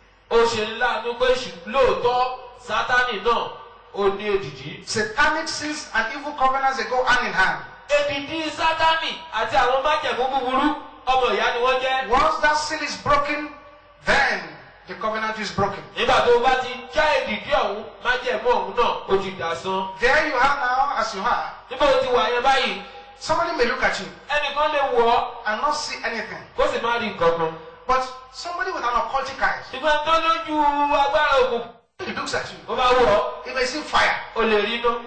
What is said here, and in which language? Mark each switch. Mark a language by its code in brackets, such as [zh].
[yo] Ó ṣe láàánú pé lóòótọ́ Sátani náà ó ní èdìdí. [en] Satanic seals and evil covenants go hand in hand. [yo] Èdìdí Sátani àti àwọn májẹ̀mú búburú ọmọ ìyá ni wọ́n jẹ́. [en] Once that seal is broken, then the covenant is broken. [yo] Nígbà tó bá ti já èdìdí ọ̀hún májẹ̀mú ọ̀hún náà ó ti dàsán. [en] There you are now as you are. [yo] Níbo ti wà yẹn báyìí? [en] Somebody may look at you. [yo] Ẹnì kan lè wọ̀ ọ́. [en] And not see anything. [yo] Kó sì máa rí gbọ̀ngàn. [en] But somebody with an occultic eye. [yo] Ṣùgbọ́n tó lójú agbára ogun. [en] He looks at you. [yo] Ó máa wọ̀ ọ́. [en] He may see fire. [yo] O lè rí iná.